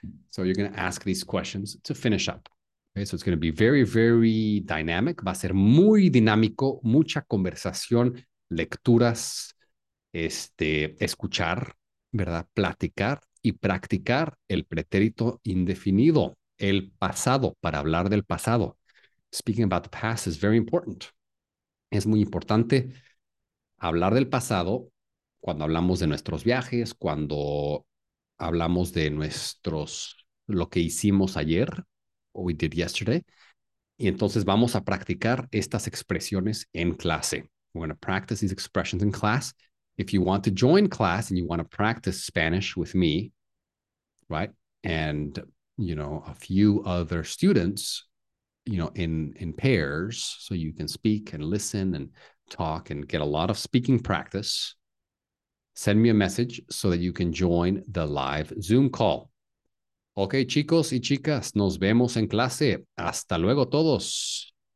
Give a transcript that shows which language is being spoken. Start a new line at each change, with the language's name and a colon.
English: So you're going to ask these questions to finish up. Okay, so it's going to be very, very dynamic.
Spanish: Va a ser muy dinámico, mucha conversación, lecturas, escuchar, ¿verdad? Platicar y practicar el pretérito indefinido, el pasado, para hablar del pasado.
English: Speaking about the past is very important.
Spanish: Es muy importante hablar del pasado cuando hablamos de nuestros viajes, cuando hablamos de lo que hicimos ayer,
English: what we did yesterday.
Spanish: Y entonces vamos a practicar estas expresiones en clase.
English: We're going to practice these expressions in class. If you want to join class and you want to practice Spanish with me, right? And, you know, a few other students, you know, in pairs, so you can speak and listen and talk and get a lot of speaking practice, send me a message so that you can join the live Zoom call.
Spanish: Okay, chicos y chicas, nos vemos en clase. Hasta luego todos.